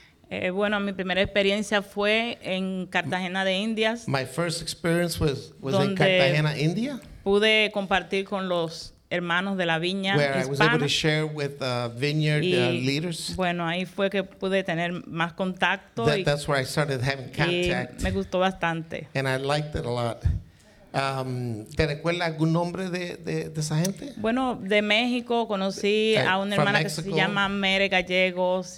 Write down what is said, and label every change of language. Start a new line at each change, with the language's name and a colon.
Spanish: Mi primera experiencia fue en Cartagena de Indias.
English: My first experience was in Cartagena, India.
Spanish: Pude compartir con los hermanos de la viña hispana.
English: Where I was able to share with vineyard leaders.
Spanish: Bueno, ahí fue que pude tener más contacto.
English: That's where I started having contact.
Spanish: Y me gustó bastante.
English: And I liked it a lot.
Spanish: ¿Te recuerda algún nombre de esa gente? Bueno, de México conocí a una hermana que se llama Mary Gallegos.